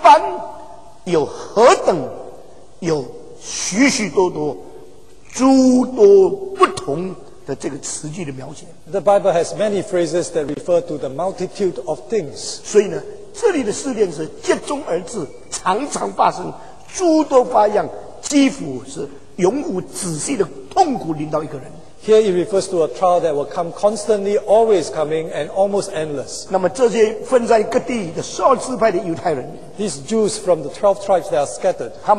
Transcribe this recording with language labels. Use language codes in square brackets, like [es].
[zh] 圣经有百般，有诸般，有何等，有。许许多多诸多不同的这个词句的描写。 [en] The Bible has many phrases that refer to the multitude of things. [zh] 所以呢，这里的试炼是接踵而至，常常发生，诸多花样，几乎是永无止息的痛苦临到一个人。 [en] Here it refers to a trial that will come constantly, always coming, and almost endless. [zh] 那么这些分散各地的十二支派的犹太人, [en] these Jews from the 12 tribes that are scattered,